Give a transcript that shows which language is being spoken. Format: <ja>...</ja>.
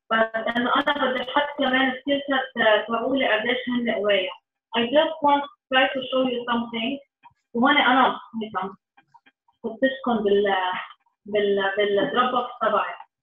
<ar>But أنا بدي أحط كمان skills تقولي قديش هن قوية.</ar> <en>I just want to try to show you something.</en> <ar>وهنا أنا مثلاً بتشكن بال دروب بوكس تبعي.</ar>